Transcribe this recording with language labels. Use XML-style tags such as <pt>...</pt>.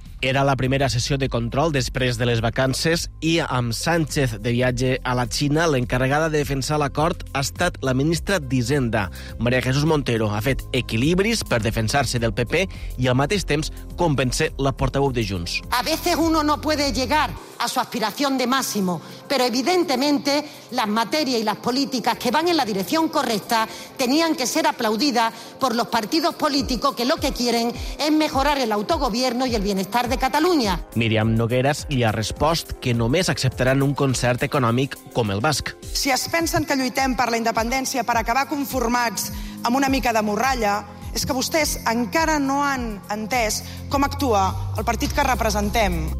<ca>Era la primera sessió de control després de les vacances i amb Sánchez de viatge a la Xina, l'encarregada de defensar l'acord ha estat la ministra d'Hisenda. María Jesús Montero ha fet equilibris per defensar-se del PP i al mateix temps convencer la portaveu de Junts.</ca> <es>A veces uno no puede llegar a su aspiración de máximo, pero evidentemente las materias y las políticas que van en la dirección correcta tenían que ser aplaudidas por los partidos políticos que lo que quieren es mejorar el autogobierno y el bienestar de Catalunya.</es> <ca>Míriam Nogueras li ha respost que només acceptaran un concert econòmic com el basc. Si es pensen que lluitem per la independència per acabar conformats amb una mica de morralla, és que vostès encara no han entès com actua el partit que representem.</ca>